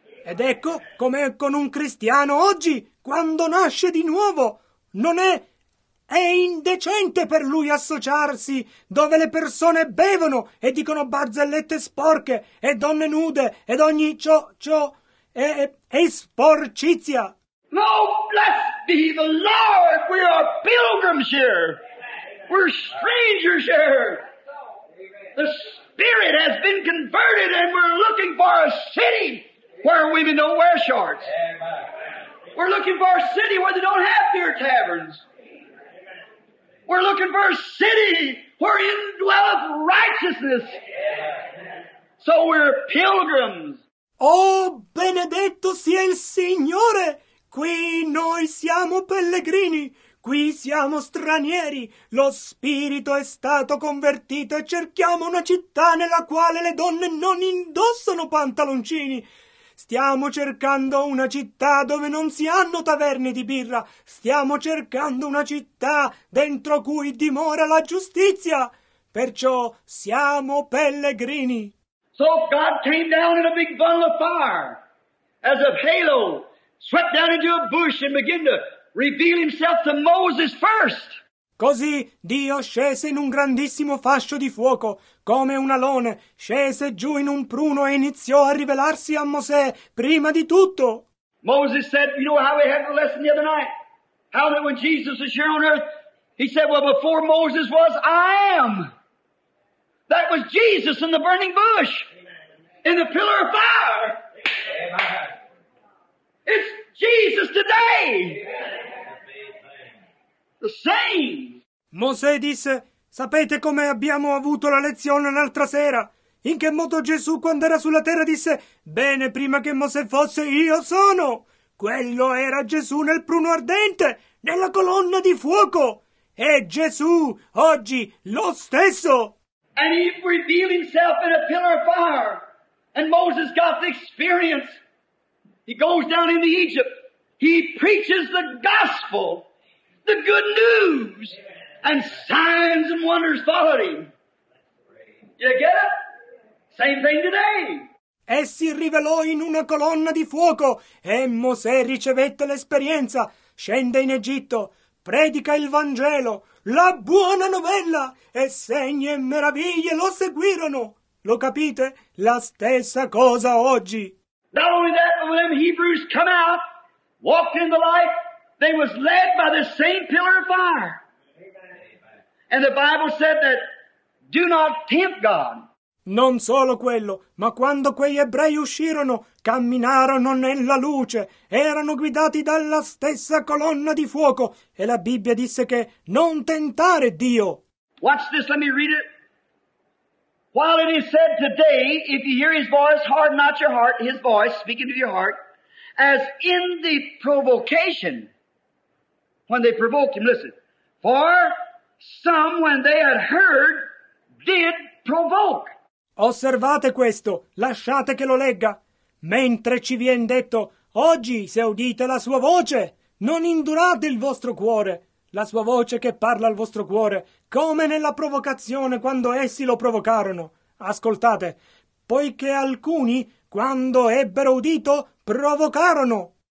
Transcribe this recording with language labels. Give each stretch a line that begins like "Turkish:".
Italian: Ed ecco com'è con un cristiano oggi, quando nasce di nuovo. Non è... è indecente per lui associarsi dove le persone bevono e dicono barzellette sporche e donne nude ed ogni ciò è sporcizia.
English: No, blessed be the Lord, we are pilgrims here. We're strangers here. The Spirit has been converted and we're looking for a city where women don't wear shorts. We're looking for a city where they don't have beer taverns. We're looking for a city wherein dwelleth righteousness. So we're pilgrims.
Italian: Oh, benedetto sia il Signore! Qui noi siamo pellegrini, qui siamo stranieri. Lo Spirito è stato convertito e cerchiamo una città nella quale le donne non indossano pantaloncini. Stiamo cercando una città dove non si hanno taverne di birra. Stiamo cercando una città dentro cui dimora la giustizia. Perciò siamo pellegrini.
English: So God came down in a big bundle of fire, as a halo, swept down into a bush and began to reveal himself to Moses first.
Italian: Così Dio scese in un grandissimo fascio di fuoco, come un alone, scese giù in un pruno e iniziò a rivelarsi a Mosè prima di tutto.
English: Moses said, you know how we had the lesson the other night? How that when Jesus was here on earth, he said, well, before Moses was, I am. That was Jesus in the burning bush, in the pillar of fire. It's Jesus today. The same.
Italian: Mosè disse, sapete come abbiamo avuto la lezione l'altra sera? In che modo Gesù quando era sulla terra disse, bene, prima che Mosè fosse io sono. Quello era Gesù nel pruno ardente, nella colonna di fuoco. E Gesù, oggi, lo stesso.
English: And he revealed himself in a pillar of fire. And Moses got the experience. He goes down into Egypt. He preaches the gospel. The good news, and signs and wonders followed him. You get it? Same thing today.
Italian: E si rivelò in una colonna di fuoco, e Mosè ricevette l'esperienza, scende in Egitto, predica il Vangelo, la buona novella, e segni e meraviglie lo seguirono. Lo capite? La stessa cosa oggi.
English: Not only that, but when them Hebrews come out, walked in the light, they was led by the same pillar of fire. Amen. And the Bible said that do not tempt God.
Italian: Non solo quello, ma quando quegli ebrei uscirono, camminarono nella luce, erano guidati dalla stessa colonna di fuoco, e la Bibbia disse che non tentare Dio.
English: Watch this, let me read it. While it is said today, if you hear his voice, harden not your heart, his voice speaking to your heart, as in the provocation, when they provoked him, listen, for some when they had heard, did provoke.
Italian: Osservate questo, lasciate che lo legga. Mentre ci viene detto, oggi se udite la sua voce, non indurate il vostro cuore. La sua voce che parla al vostro cuore, come nella provocazione quando essi lo provocarono. Ascoltate, poiché alcuni, quando ebbero udito, provocarono.